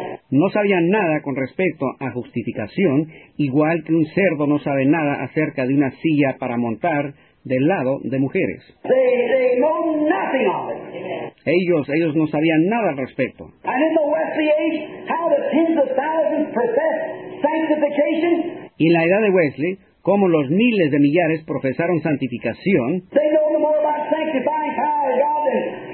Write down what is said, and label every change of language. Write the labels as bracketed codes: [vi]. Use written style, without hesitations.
[es] No sabían nada con respecto a justificación, igual que un cerdo no sabe nada acerca de una silla para montar del lado de mujeres. [en] They know nothing of it. [es] Ellos no sabían nada al respecto. [en] And in the Wesley age, how the tens of thousands profess sanctification? [es] Y en la edad de Wesley, como los miles de millares profesaron santificación, [en] they know more about sanctifying power of God than...